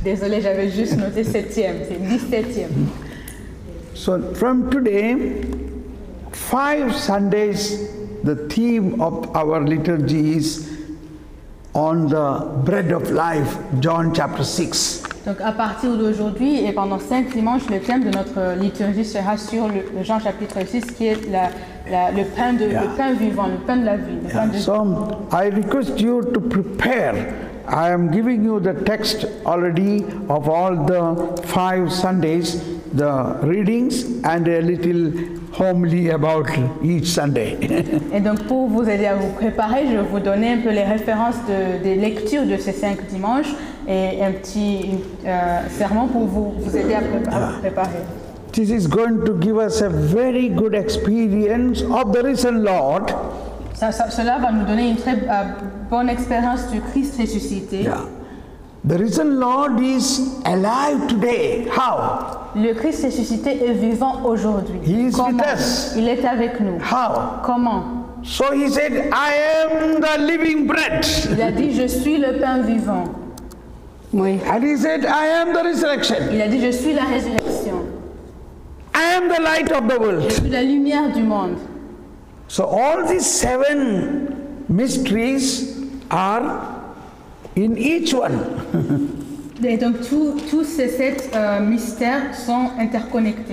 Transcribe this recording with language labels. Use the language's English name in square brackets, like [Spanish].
[French] Désolé, j'avais juste noté 7e, c'est 17th. [English] So from today, five Sundays, the theme of our liturgy is on the bread of life, John chapter 6. [French] Donc à partir d'aujourd'hui et pendant 5 dimanches, le thème de notre liturgie sera sur le Jean chapitre 6 qui est le pain vivant, le pain de la vie. [English] So I request you to prepare. I am giving you the text already of all the five Sundays, the readings and a little homily about each Sunday. [French] Et donc pour vous aider à vous préparer, je vais vous donner un peu les références des lectures de ces 5 dimanches et un petit sermon pour vous aider à préparer. [English] This is going to give us a very good experience of the risen Lord. [French] Cela va nous donner une très bonne expérience du Christ ressuscité. [English] Yeah. The risen Lord is alive today. How? [French] Le Christ ressuscité est vivant aujourd'hui. [English] He is with us. [French] Il est avec nous. [English] How? [French] Comment? [English] So he said, I am the living bread. [French] Il a dit, je suis le pain vivant. Oui. [English] And he said, I am the resurrection. [French] Il a dit, je suis la résurrection. [English] I am the light of the world. [French] Je suis la lumière du monde. [English] So all these seven mysteries are in each one. [French] Et donc tous ces sept mystères sont interconnectés.